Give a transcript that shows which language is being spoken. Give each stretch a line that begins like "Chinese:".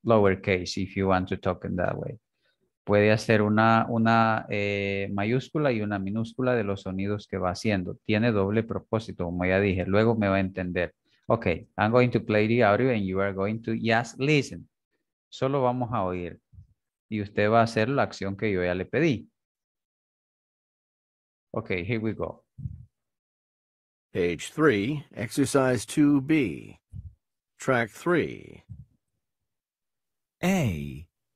English: Lowercase, if you want to talk in that way.
Spanish: Puede hacer una mayúscula y una minúscula de los sonidos que va haciendo. Tiene doble propósito, como ya dije. Luego me va a entender.
English: Ok, I'm going to play the audio and you are going to just listen.
Spanish: Solo vamos a oír. Y usted va a hacer la acción que yo ya le pedí.
English: Ok, here we go. Page 3, exercise 2B. Track 3. A.